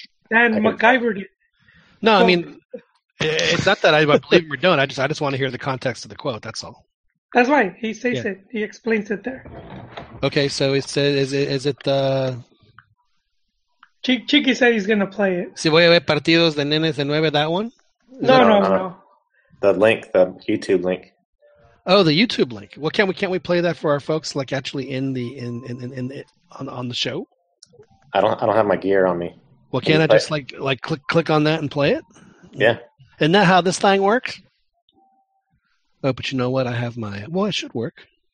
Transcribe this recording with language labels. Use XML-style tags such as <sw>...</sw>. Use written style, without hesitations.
<en>Dan MacGyver. No, I mean, it's not that I believe we're done. I just want to hear the context of the quote. That's all. That's right. He says yeah. It. He explains it there. Okay, so he said, "Is it?" Chiqui said he's gonna play it.</en> <es>Si voy a ver partidos de nenes de nueve,</es> <en>that one. No. The link, the YouTube link. Oh, the YouTube link. Well, can't we play that for our folks? Like actually in the the show. I don't have my gear on me. Well, can I just like click on that and play it? Yeah. Isn't that how this thing works? Oh, but you know what? I have my – well, it should work.</en>